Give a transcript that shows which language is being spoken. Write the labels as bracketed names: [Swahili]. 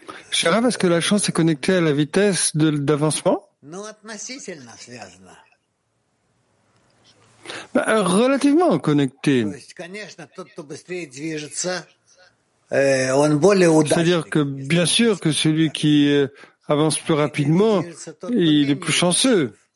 [French] Шара, est-ce que la chance est connectée à la vitesse d'avancement? [Russian] Ну, относительно связано. [French] Relativement connecté. [Russian] То есть, конечно, тот, кто быстрее движется, он более удачный. [French] C'est-à-dire que, bien sûr, que celui qui avance plus rapidement, il est plus chanceux.